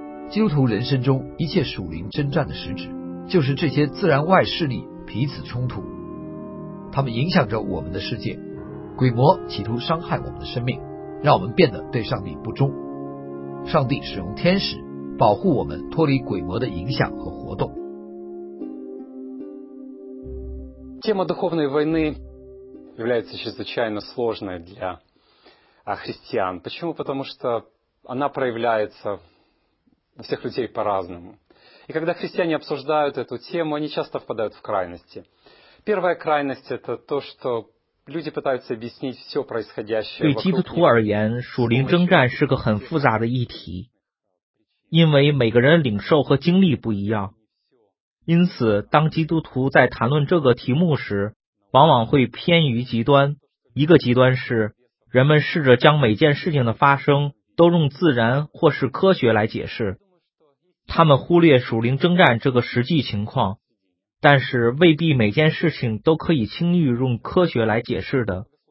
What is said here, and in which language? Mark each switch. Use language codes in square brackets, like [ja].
[zh] 基督徒人生中一切属灵征战的实质，就是这些自然外势力彼此冲突，他们影响着我们的世界。鬼魔企图伤害我们的生命，让我们变得对上帝不忠。上帝使用天使保护我们脱离鬼魔的影响和活动。 [ru] Тема духовной войны является чрезвычайно сложной для христиан. Почему? Потому что она проявляется у всех людей по-разному. И когда христиане обсуждают эту тему, они часто впадают в крайности. Первая крайность – это то, что люди пытаются объяснить все происходящее. [zh] 对基督徒而言，属灵征战是个很复杂的议题，因为每个人领受和经历不一样。因此，当基督徒在谈论这个题目时，往往会偏于极端。一个极端是，人们试着将每件事情的发生都用自然或是科学来解释，他们忽略属灵征战这个实际情况，但是未必每件事情都可以轻易用科学来解释的。